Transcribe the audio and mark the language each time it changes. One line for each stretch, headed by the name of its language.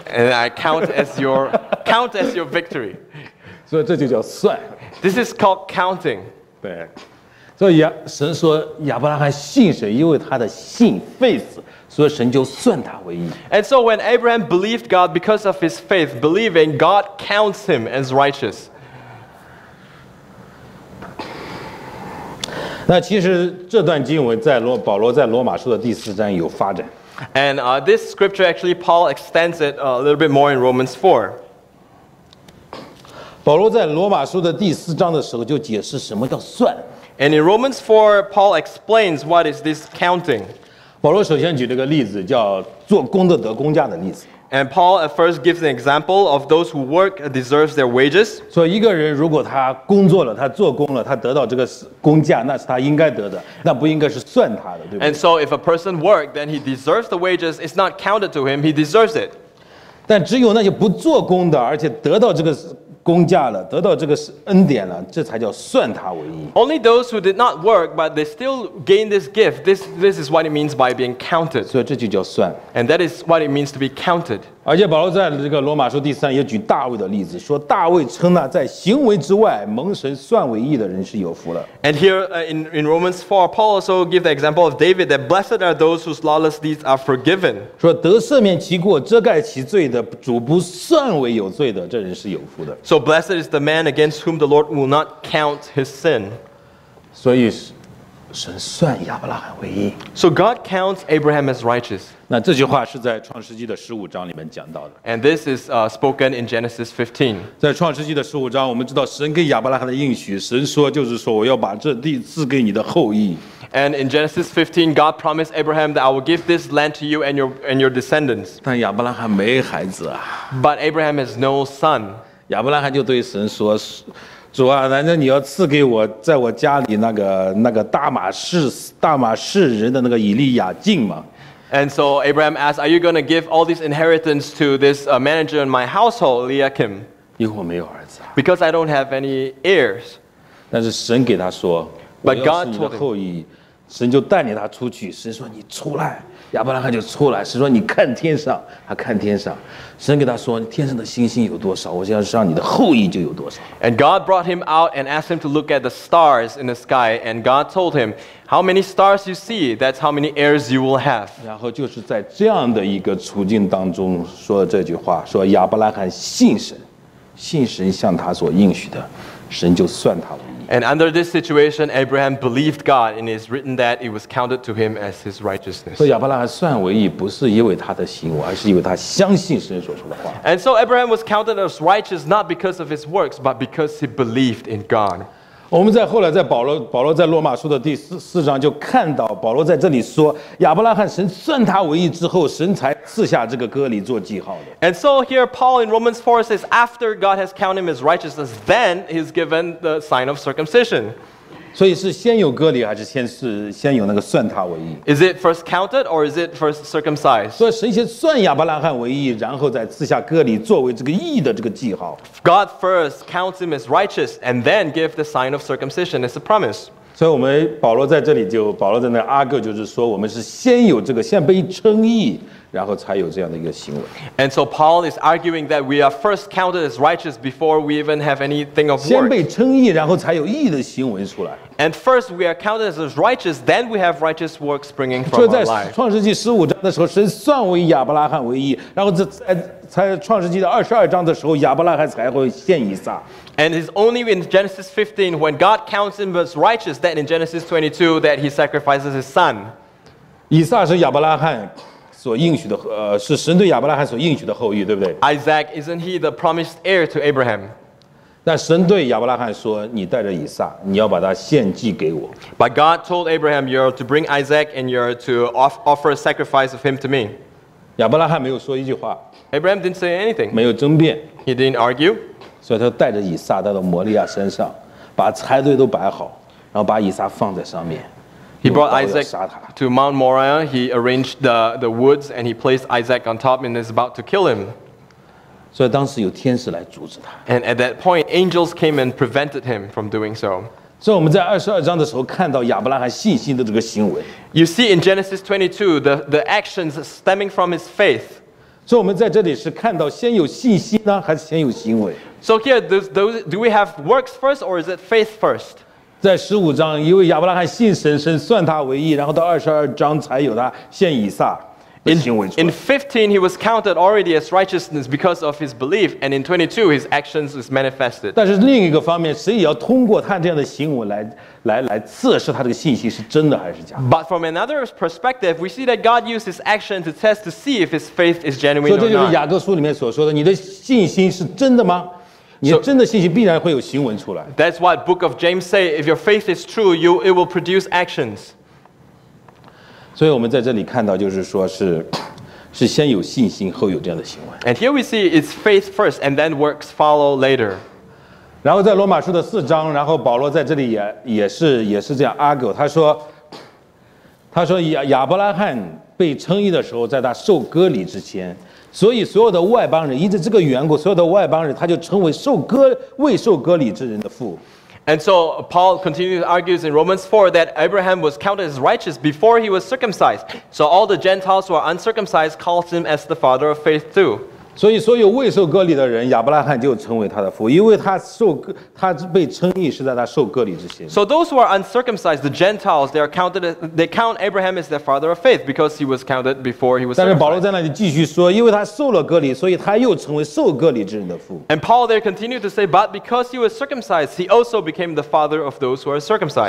English: And I count as your victory.
Chinese: 所以这就叫算。
English: This is called counting.
Chinese: 对，所以神说亚伯拉罕信神，因为他的信 faith， 所以神就算他为义。
English: And so when Abraham believed God because of his faith, believing God counts him as righteous.
Chinese: 那其实这段经文在保罗在罗马书的第四章有发展。
English: And this scripture actually Paul extends it a little bit more in Romans 4.
Chinese: 保罗在罗马书的第四章的时候就解释什么叫算。
English: And in Romans 4, Paul explains what is this counting.
Chinese: 保罗首先举了个例子，叫做工的得工价的例子。
English: And Paul at first gives an example of those who work deserve their wages.
Chinese: 所以一个人如果他工作了，他做工了，他得到这个工价，那是他应该得的，那不应该是算他的，对吧
English: ？And so if a person worked, then he deserves the wages. It's not counted to him. He deserves it.
Chinese: 但只有那些不做工的，而且得到这个工价了，得到这个恩典了，这才叫算他为义。
English: Only those who did not work, but they still gained this gift. This is what it means by being counted.
Chinese: 所以这就叫算。
English: And that is what it means to be counted.
Chinese: 而且保罗在这个罗马书第三也举大卫的例子，说大卫称那在行为之外蒙神算为义的人是有福的。
English: And here in Romans 4, Paul also gives the example of David that blessed are those whose lawless deeds are forgiven.
Chinese: 说得赦免其过，遮盖其罪的，主不算为有罪的，这人是有福的。
English: So blessed is the man against whom the Lord will not count his sin.
Chinese: 所以神算亚伯拉罕为义。
English: So God counts Abraham as righteous.
Chinese: 那这句话是在创世纪的十五章里面讲到的。
English: And this is spoken in Genesis 15.
Chinese: 在创世纪的十五章，我们知道神给亚伯拉罕的应许，神说就是说我要把这地赐给你的后裔。
English: And in Genesis 15, God promised Abraham that I will give this land to you and your descendants.
Chinese: 但亚伯拉罕没孩子啊。
English: But Abraham has no son.
Chinese: 亚伯拉罕就对神说：“主啊，难道你要赐给我在我家里那个大马士人的那个以利亚敬吗
English: ？”And so Abraham asked, "Are you going to give all this inheritance to this manager in my household, Eliakim?"
Chinese: 因为我没有儿子。
English: Because I don't have any heirs.
Chinese: 但是神给他说：“我要是你的后裔。” 神就带领他出去。神说：“你出来。” 亚伯拉罕就出来。神说：“你看天上。” 他看天上。神给他说：“天上的星星有多少，我就要让你的后裔就有多少。”
English: And God brought him out and asked him to look at the stars in the sky. And God told him, "How many stars you see? That's how many heirs you will have."
Chinese: 然后就是在这样的一个处境当中说这句话，说亚伯拉罕信神，信神向他所应许的，神就算他为义。
English: And under this situation, Abraham believed God, and it's written that it was counted to him as his righteousness.
Chinese: 所以亚伯拉罕算为义，不是因为他的行为，而是因为他相信神所说的话。
English: And so Abraham was counted as righteous not because of his works, but because he believed in God.
Chinese: 我们在后来在保罗在罗马书的第四章就看到保罗在这里说亚伯拉罕神算他为义之后，神才赐下这个割礼做记号的。
English: And so here Paul in Romans 4 says after God has counted him as righteousness, then he's given the sign of circumcision.
Chinese: 所以是先有割礼还是先有那个算他为义
English: ？Is it first counted or is it first circumcised？
Chinese: 所以神先算亚伯拉罕为义，然后再赐下割礼作为这个义的这个记号。
English: God first counts him as righteous and then give the sign of circumcision as a promise.
Chinese: 所以我们保罗在那阿哥就是说，我们是先有这个，先被称义。然后才有这样的一个行为。
English: And so Paul is arguing that we are first counted as righteous before we even have anything of work.
Chinese: 先被称义，然后才有义的行为出来。
English: And first we are counted as righteous, then we have righteous works springing from our life.
Chinese: 就在创世纪十五章的时候，神算为亚伯拉罕为义，然后在创世纪的二十二章的时候，亚伯拉罕才会献以撒。
English: And it's only in Genesis 15 when God counts him as righteous that in Genesis 22 that he sacrifices his son.
Chinese: 以撒是亚伯拉罕所应许的，是神对亚伯拉罕所应许的后裔，对不对
English: ？Isaac, isn't he the promised heir to Abraham?
Chinese: 但神对亚伯拉罕说：“你带着以撒，你要把他献祭给我。”
English: But God told Abraham, "You're to bring Isaac, and you're to offer a sacrifice of him to me."
Chinese: 亚伯拉罕没有说一句话。
English: Abraham didn't say anything.
Chinese: 没有争辩。
English: He didn't argue.
Chinese: 所以他带着以撒带到摩利亚山上，把柴堆都摆好，然后把以撒放在上面。
English: He brought Isaac to Mount Moriah. He arranged the woods and he placed Isaac on top and is about to kill him. So,
Chinese: 当时有天使来阻止他。
English: And at that point, angels came and prevented him from doing so. So,
Chinese: 我们在二十二章的时候看到亚伯拉罕信心的这个行为。
English: You see in Genesis 22 the actions stemming from his faith. So,
Chinese: 我们在这里是看到先有信心呢，还是先有行为
English: ？So here, do we have works first or is it faith first?
Chinese: 在十五章，因为亚伯拉罕信神，神算他为义，然后到二十二章才有他献以撒的行为出来。
English: In 15, he was counted already as righteousness because of his belief, and in 22, his actions was manifested.
Chinese: 但是另一个方面，神也要通过他这样的行为来测试他这个信心是真的还是假的。
English: But from another perspective, we see that God used his action to test to see if his faith is genuine or not.
Chinese: 所以这就是雅各书里面所说的，你的信心是真的吗？
English: So, that's what Book of James say. If your faith is true, it will produce actions.
Chinese: 所以我们在这里看到，就是说是先有信心，后有这样的行为。
English: And here we see it's faith first, and then works follow later.
Chinese: 然后在罗马书的四章，然后保罗在这里也是这样 argue。他说亚伯拉罕被称义的时候，在他受割礼之前。所以所有的外邦人，因着这个缘故，所有的外邦人，他就成为未受割礼之人的父。
English: And so Paul continues argues in Romans 4 that Abraham was counted as righteous before he was circumcised. So all the Gentiles who are uncircumcised calls him as the father of faith too.
Chinese: 所以所有未受割礼的人，亚伯拉罕就成为他的父，因为他被称义是在他受割礼之前。
English: So those who are uncircumcised, the Gentiles, they count Abraham as their father of faith because he was counted before he was circumcised.
Chinese: 但是保罗在那里继续说，因为他受了割礼，所以他又成为受割礼之人的父。
English: And Paul there continued to say, but because he was circumcised, he also became the father of those who are circumcised.